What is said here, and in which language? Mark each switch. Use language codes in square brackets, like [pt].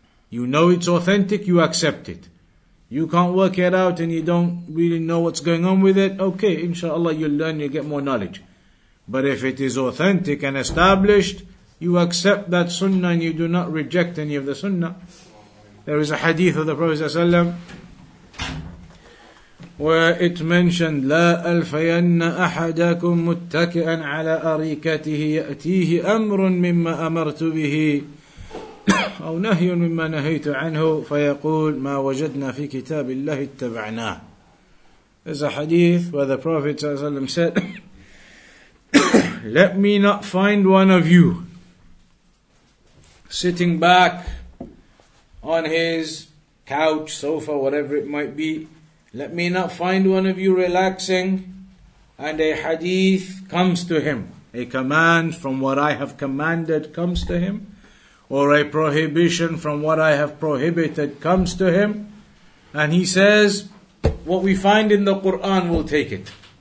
[en] You know it's authentic, you accept it. You can't work it out and you don't really know what's going on with it, okay, inshallah you'll learn, you'll get more knowledge. But if it is authentic and established, you accept that sunnah and you do not reject any of the sunnah. There is a hadith of the Prophet ﷺ where it mentioned, [ar] لا ألفين أحدكم متكئا على أريكته يأتيه أمر مما أمرت به أو نهي مما نهيت عنه فيقول ما وجدنا في كتاب الله اتبعناه. [en] There's a hadith where the Prophet ﷺ said, let me not find one of you sitting back on his couch, sofa, whatever it might be. Let me not find one of you relaxing, and a hadith comes to him, a command from what I have commanded comes to him, or a prohibition from what I have prohibited comes to him, and he says, what we find in the Quran, we'll take it.